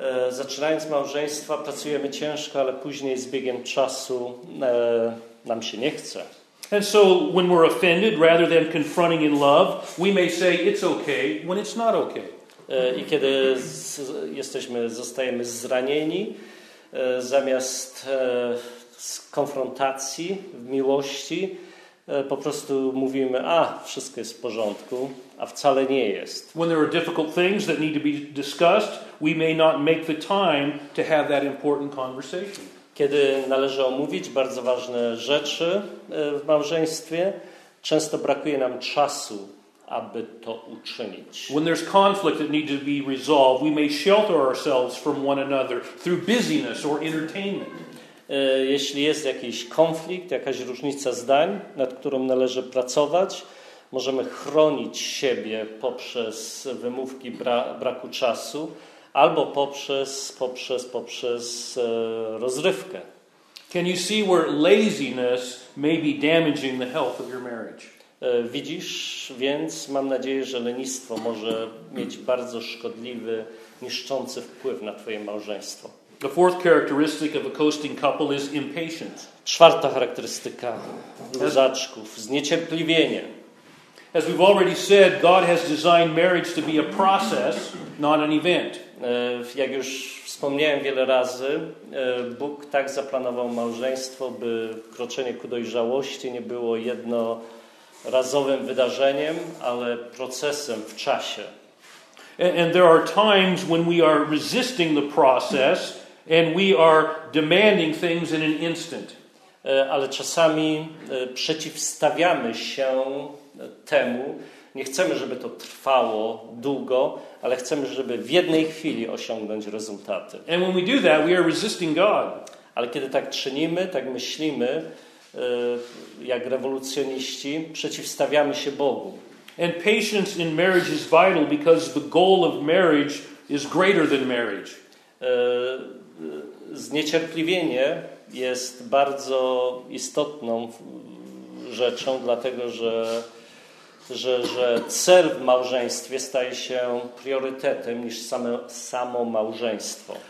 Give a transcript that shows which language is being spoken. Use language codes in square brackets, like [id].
[pl] Zaczynając małżeństwa, pracujemy ciężko, ale później z biegiem czasu nam się nie chce. [en] And so when we're offended rather than confronting in love, we may say it's okay when it's not okay. [pl] I kiedy zostajemy zranieni, zamiast konfrontacji w miłości, po prostu mówimy, a wszystko jest w porządku, a wcale nie jest. [en] When there are difficult things that need to be discussed, we may not make the time to have that important conversation. [pl] Kiedy należy omówić bardzo ważne rzeczy w małżeństwie, często brakuje nam czasu, aby to uczynić. [en] When there's conflict that needs to be resolved, we may shelter ourselves from one another through busyness or entertainment. [pl] Jeśli jest jakiś konflikt, jakaś różnica zdań, nad którą należy pracować, możemy chronić siebie poprzez wymówki braku czasu albo poprzez rozrywkę. [en] Can you see where laziness may be damaging the health of your marriage? [pl] Widzisz, więc mam nadzieję, że lenistwo może mieć bardzo szkodliwy, niszczący wpływ na twoje małżeństwo. [en] The fourth characteristic of a coasting couple is impatience. [pl] Czwarta charakterystyka luzaczków, zniecierpliwienie. [en] As we've already said, God has designed marriage to be a process, not an event. [pl] Jak już wspomniałem wiele razy, Bóg tak zaplanował małżeństwo, by kroczenie ku dojrzałości nie było jednorazowym wydarzeniem, ale procesem w czasie. [en] And there are times when we are resisting the process and we are demanding things in an instant. [pl] Ale czasami przeciwstawiamy się temu. Nie chcemy, żeby to trwało długo, ale chcemy, żeby w jednej chwili osiągnąć rezultaty. [en] And when we do that, we are resisting God. [pl] Ale kiedy tak czynimy, tak myślimy, jak rewolucjoniści, przeciwstawiamy się Bogu. [en] And patience in marriage is vital because the goal of marriage is greater than marriage. [pl] Zniecierpliwienie jest bardzo istotną rzeczą, dlatego że cel w małżeństwie staje się priorytetem niż samo małżeństwo.